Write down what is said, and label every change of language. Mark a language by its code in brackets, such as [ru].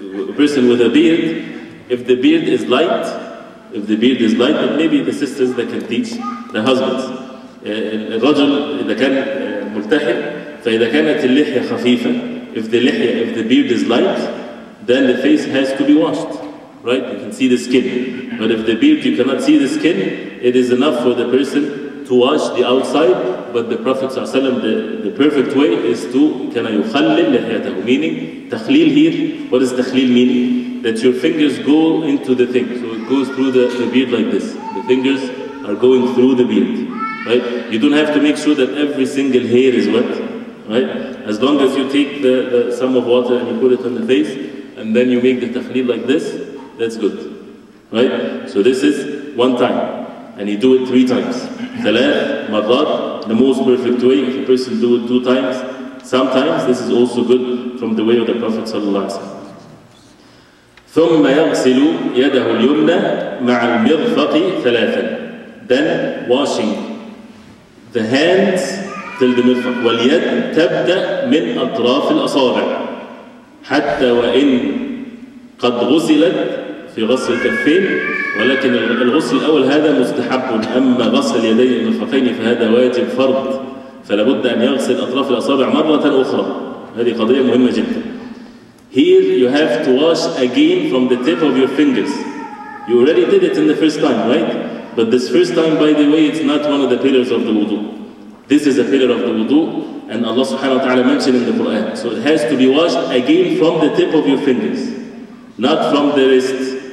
[en] A person with a beard. If the beard is light, then maybe the sisters that can teach the husbands. [ar] الرجل إذا كان ملتحب فإذا كانت اللحية خفيفة. [en] If the beard is light, then the face has to be washed. Right? You can see the skin. But if the beard, you cannot see the skin, it is enough for the person to wash the outside. But the Prophet ﷺ, the perfect way is to [ar] كَنَا يُخَلِّلْ لِحْيَتَهُ. [en] Meaning, تَخْلِيل here. What is تَخْلِيل meaning? That your fingers go into the thing. So it goes through the beard like this. The fingers are going through the beard. Right? You don't have to make sure that every single hair is wet. Right? As long as you take the sum of water and you put it on the face, and then you make the takhleel like this, that's good. Right? So this is one time. And you do it three times. [ar] Thalath, marat, [en] the most perfect way. If a person do it two times, sometimes this is also good from the way of the Prophet ﷺ. [ar] ثم يغسل يده اليمنى مع المرفق ثلاثا. [en] Then washing the hands till the مرفق. [ar] واليد تبدأ من أطراف الأصابع حتى وإن قد غسلت في غسل الكفين. ولكن الغسل الأول هذا مستحب. أما غسل يدي المرفقين فهذا واجب فرض. فلا بد أن يغسل أطراف الأصابع مرة أخرى. هذه قضية مهمة جدا. [en] Here you have to wash again from the tip of your fingers. You already did it in the first time, right? But this first time, by the way, it's not one of the pillars of the wudu. This is a pillar of the wudu, and Allah subhanahu wa ta'ala mentioned in the Quran. So it has to be washed again from the tip of your fingers, not from the wrists.